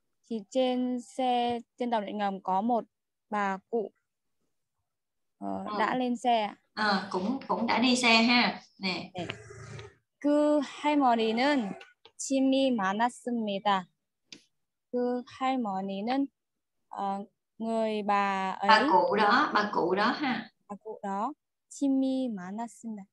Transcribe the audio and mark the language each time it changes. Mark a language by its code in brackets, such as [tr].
[vi] thì trên xe trên tàu điện ngầm có một bà cụ đã lên xe. À, cũng cũng đã đi xe ha. Nè. [ko] Cứ 할머니는 짐이 많았습니다. 그 할머니는 [vi] người bà Bà ấy, cụ đó, bà cụ đó ha. bà cụ đó, [ko] 짐이 많았습니다.